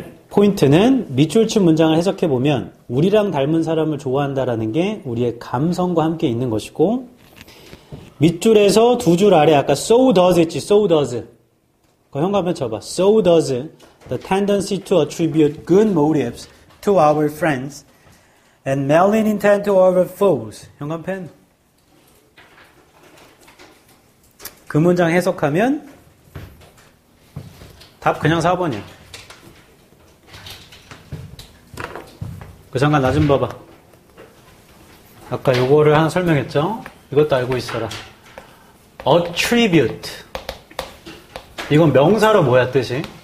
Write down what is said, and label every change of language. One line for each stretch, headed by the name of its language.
Korean: 포인트는 밑줄 친 문장을 해석해보면 우리랑 닮은 사람을 좋아한다라는 게 우리의 감성과 함께 있는 것이고 밑줄에서 두 줄 아래 아까
English: so does
Korean: 했지.
English: So does.
Korean: 그거 형광펜 쳐봐.
English: So does the tendency to attribute good motives to our friends and malign intent to our foes.
Korean: 형광펜. 그 문장 해석하면 답 그냥 4번이야. 그 잠깐 나 좀 봐봐. 아까 요거를 하나 설명했죠? 이것도 알고 있어라. Attribute. 이건 명사로 뭐야 뜻이?